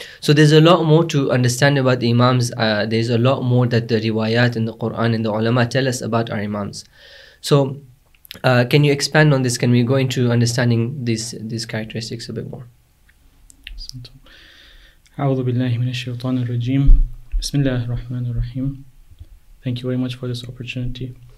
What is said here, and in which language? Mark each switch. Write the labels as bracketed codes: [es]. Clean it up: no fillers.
[en] So there's a lot more to understand about the imams. There's a lot more that the riwayat and the Quran and the ulama tell us about our imams. So can you expand on this? Can we go into understanding these characteristics a bit more? [ar] أعوذ بالله من الشيطان الرجيم بسم الله الرحمن الرحيم. [en] Thank you very much for this opportunity.